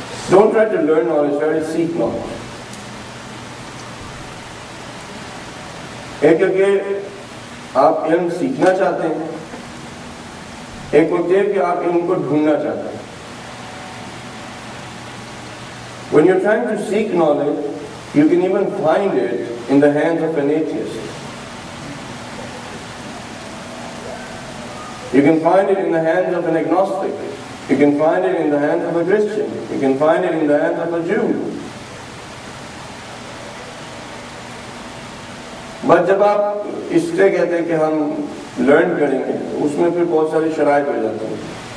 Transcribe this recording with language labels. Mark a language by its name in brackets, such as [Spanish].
[English] Don't try to learn knowledge, try seek knowledge. [Urdu] ایک ہے کہ آپ علم سیکھنا چاہتے ہیں, ایک ہوتی ہے کہ آپ علم کو ڈھونڈنا چاہتے ہیں. [English] When you're trying to seek knowledge, you can even find it in the hands of an atheist. You can find it in the hands of an agnostic. You can find it in the hands of a Christian. You can find it in the hands of a Jew. [Urdu] But جب آپ اس سے کہتے ہیں کہ ہم learn کریں گے اس میں پھر بہت ساری شرائط ہو جاتی ہیں.